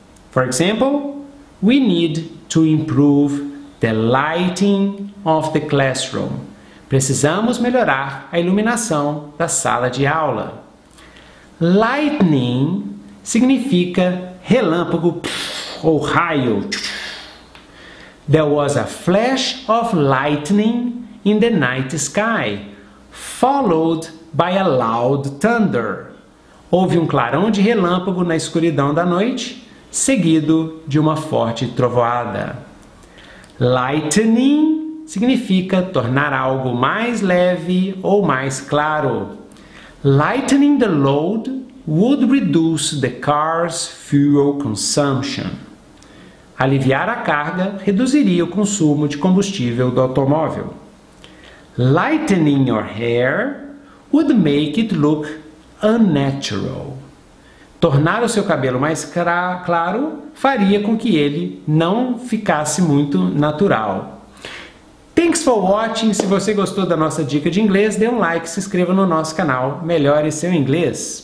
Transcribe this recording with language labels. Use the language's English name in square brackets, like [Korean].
[English] For example, we need to improve the lighting of the classroom. [Portuguese] Precisamos melhorar a iluminação da sala de aula. Lightning significa relâmpago ou raio. [English] There was a flash of lightning in the night sky, followed by a loud thunder. [Portuguese] Houve um clarão de relâmpago na escuridão da noite, seguido de uma forte trovoada. Lightening significa tornar algo mais leve ou mais claro. [English] Lightening the load would reduce the car's fuel consumption. [Portuguese] Aliviar a carga reduziria o consumo de combustível do automóvel. [English] Lightening your hair would make it look unnatural. [Portuguese] Tornar o seu cabelo mais claro faria com que ele não ficasse muito natural. [English] Thanks for watching. [Portuguese] Se você gostou da nossa dica de inglês, dê um like e se inscreva no nosso canal Melhore Seu Inglês.